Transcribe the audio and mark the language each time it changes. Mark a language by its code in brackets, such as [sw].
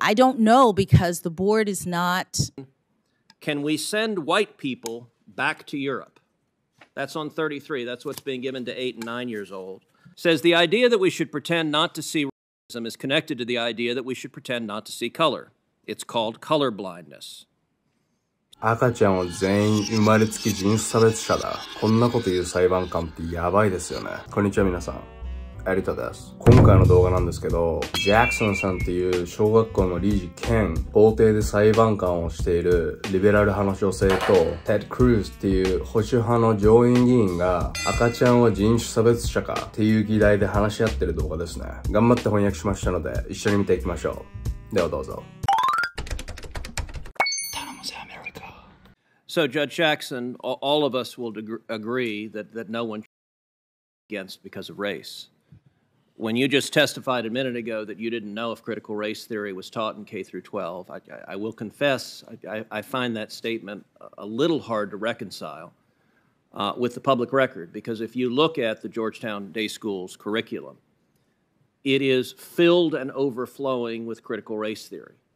[en] I don't know, because the board is not. Can we send white people back to Europe? That's on 33. That's what's being given to 8 and 9 years old. Says the idea that we should pretend not to see racism is connected to the idea that we should pretend not to see color. It's called color blindness. [ja] 赤ちゃんは全員生まれつき人種差別者だ。こんなこと言う裁判官ってやばいですよね。こんにちは皆さん、有田です。今回の動画なんですけど、ジャクソンさんっていう小学校の理事兼法廷で裁判官をしているリベラル派の女性と、テッド・クルーズっていう保守派の上院議員が赤ちゃんは人種差別者かっていう議題で話し合ってる動画ですね。頑張って翻訳しましたので一緒に見ていきましょう。ではどうぞ。 [en] So Judge Jackson, all of us will agree that no one against because of race. When you just testified a minute ago that you didn't know if critical race theory was taught in K-12, I will confess I find that statement a little hard to reconcile with the public record, because if you look at the Georgetown Day School's curriculum, it is filled and overflowing with critical race theory.